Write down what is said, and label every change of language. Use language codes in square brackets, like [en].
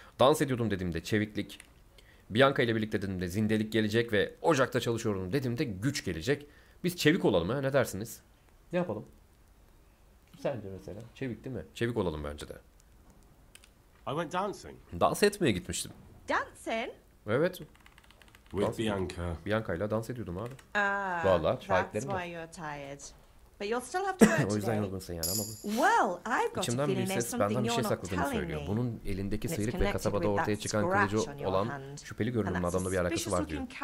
[tr] Dans ediyordum dediğimde çeviklik, Bianca ile birlikte dediğimde zindelik gelecek ve ocakta çalışıyorum dediğimde güç gelecek. Biz çevik olalım ha, ne dersiniz? Ne yapalım? Sence mesela çevik değil mi? Çevik olalım bence de. [en] I went dancing. [tr] Dans etmeye gitmiştim. [en] Dancing? [tr] Evet. [en] With dans Bianca. [tr] Bianca ile dans ediyordum abi. Vallahi şahitlerim var. [en] That's why you're tired. But you'll still have to work. [tr] O yüzden yorgunsun yani ama bu. [en] Well, I've got [tr] İçimden [en] a feeling [tr] benden bir şey sakladığını söylüyor. Bunun elindeki sıyrık ve kasabada ortaya çıkan kılıcı olan şüpheli görünümlü adamla bir alakası var diyor.